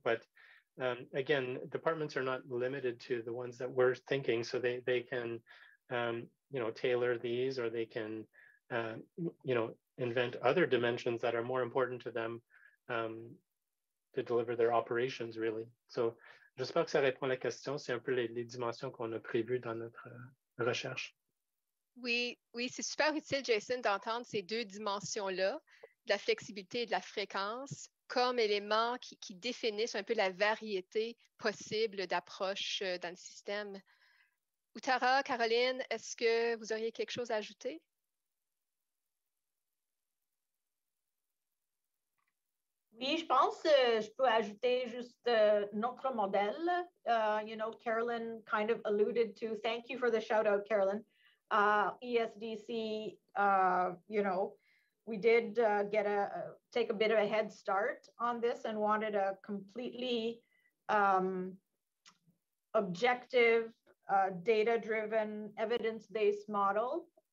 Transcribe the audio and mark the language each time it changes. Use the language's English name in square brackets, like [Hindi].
[English] But again, departments are not limited to the ones that we're thinking. So they can, you know, tailor these or they can, you know, invent other dimensions that are more important to them to deliver their operations, really. [French] So, j'espère que ça répond à la question. C'est un peu les dimensions qu'on a prévues dans notre recherche. Oui, c'est super utile, Jason, d'entendre ces deux dimensions-là, de la flexibilité et de la fréquence, comme élément qui définissent un peu la variété possible d'approches dans le système. Uttara, Caroline, est-ce que vous auriez quelque chose à ajouter? Oui, je pense que je peux ajouter juste notre modèle. [English] You know, Carolyn kind of alluded to, thank you for the shout out, Carolyn. ESDC, you know, we did take a bit of a head start on this and wanted a completely objective, data-driven, evidence-based model.